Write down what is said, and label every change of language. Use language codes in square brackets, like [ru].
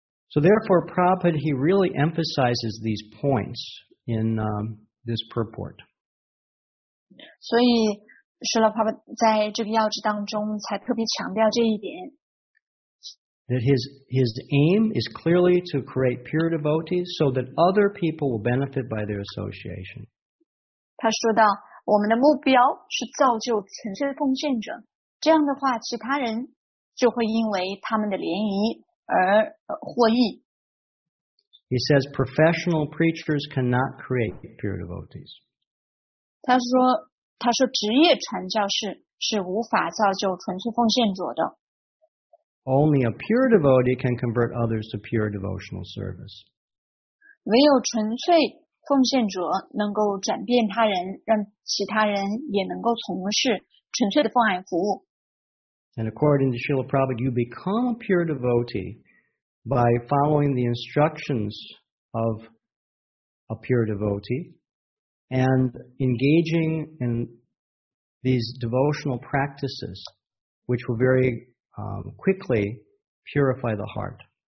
[en] So therefore, Prabhupada he really emphasizes these points in this purport. [zh] 所以Srila Prabhupada 在这个要旨当中才特别强调这一点。 [en] That his aim is clearly to create pure devotees so that other people will benefit by their association. [zh] 他说到，我们的目标是造就纯粹奉献者，这样的话，其他人就会因为他们的联谊而获益。 [en] He says professional preachers cannot create pure devotees. [zh] 他说职业传教士是无法造就纯粹奉献者的。 [en] Only a pure devotee can convert others to pure devotional service. [zh] 唯有纯粹奉献者能够转变他人，让其他人也能够从事纯粹的奉献服务。 [en] And according to Srila Prabhupada, you become a pure devotee by following the instructions of a pure devotee and engaging in these devotional practices, which will very quickly purify the heart.